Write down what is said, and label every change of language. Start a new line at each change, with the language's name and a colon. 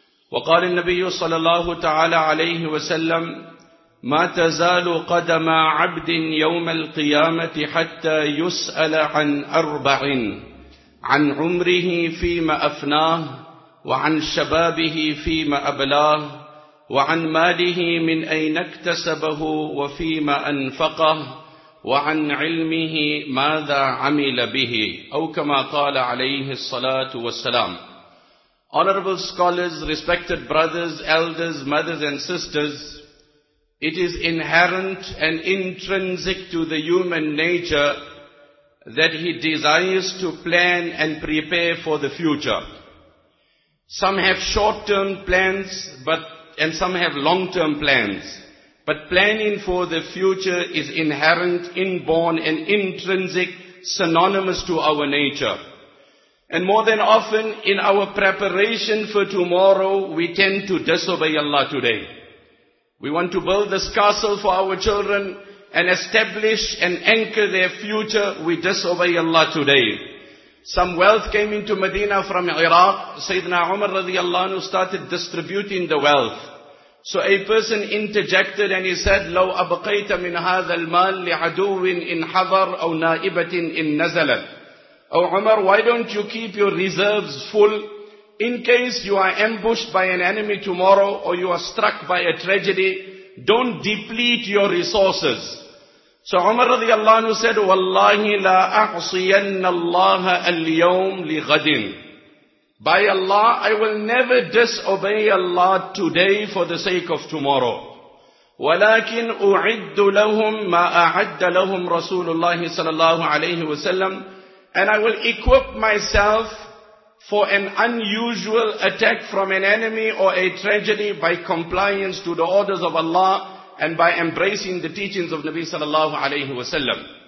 Arabic: وقال النبي صلى الله تعالى عليه وسلم: ما تزال قدم عبد يوم القيامة حتى يسأل عن أربع: عن عمره فيما أفناه، وعن شبابه فيما أبلاه، وعن ماله من أين اكتسبه وفيما أنفقه، وعن علمه ماذا عمل به، أو كما قال عليه الصلاة والسلام.
English: Honorable scholars, respected brothers, elders, mothers and sisters, it is inherent and intrinsic to the human nature that he desires to plan and prepare for the future. Some have short-term plans, and some have long-term plans. But planning for the future is inherent, inborn and intrinsic, synonymous to our nature. And more than often, in our preparation for tomorrow, we tend to disobey Allah today. We want to build this castle for our children and establish and anchor their future. We disobey Allah today. Some wealth came into Medina from Iraq. Sayyidina Umar radiallahu anhu started distributing the wealth. So a person interjected and he said,
Arabic: لو أبقيت من هذا المال لعدو إن حضر أو نائبة إن نزلت.
English: Oh Umar, why don't you keep your reserves full in case you are ambushed by an enemy tomorrow or you are struck by a tragedy? Don't deplete your resources. So Umar radiallahu anhu said,
Arabic: وَاللَّهِ لَا أَعْصِيَنَّ اللَّهَ الْيَوْمَ لِغَدٍ.
English: By Allah, I will never disobey Allah today for the sake of tomorrow.
Arabic: وَلَكِنْ أُعِدُّ لَهُمْ مَا أَعَدَّ لَهُمْ رَسُولُ اللَّهِ صَلَى اللَّهُ عَلَيْهِ وَسَلَّمْ.
English: And I will equip myself for an unusual attack from an enemy or a tragedy by compliance to the orders of Allah and by embracing the teachings of Nabi sallallahu alayhi wa sallam.